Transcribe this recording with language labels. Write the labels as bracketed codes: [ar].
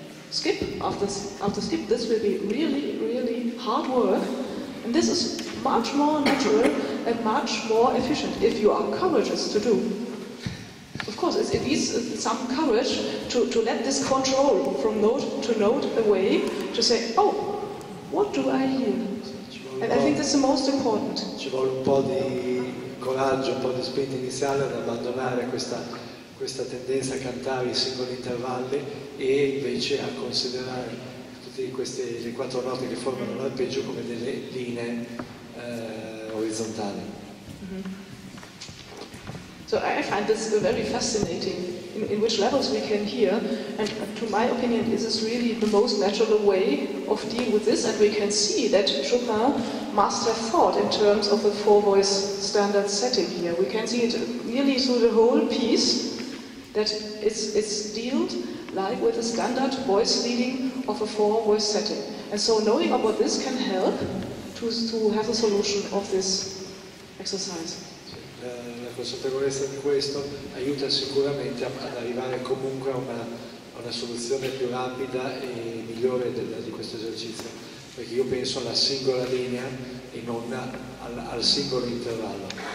[en] Skip after skip, this will be really, really hard work, and this is much more natural and much more efficient if you are courageous to do. Of course, it needs some courage to let this control from note to note away, to say, oh, what do I hear? And I think this is the most important. [it] Ci vuole un po' di coraggio, un po' di spinta iniziale ad abbandonare questa tendenza a cantare i singoli intervalli e invece a considerare tutte queste le quattro note che formano l'arpeggio come delle linee orizzontali. Mm-hmm. [en] So I find this very fascinating in which levels we can hear, and to my opinion this is really the most natural way of dealing with this, and we can see that Chopin must have thought in terms of the four voice standard setting here. We can see it really through the whole piece, that it's dealt like with a standard voice reading of a four voice setting. And so knowing about this can help to have a solution of this exercise. [it] La consapevolezza di questo aiuta sicuramente ad arrivare comunque a una soluzione più rapida e migliore di questo esercizio, perché io penso alla singola linea e non al singolo intervallo.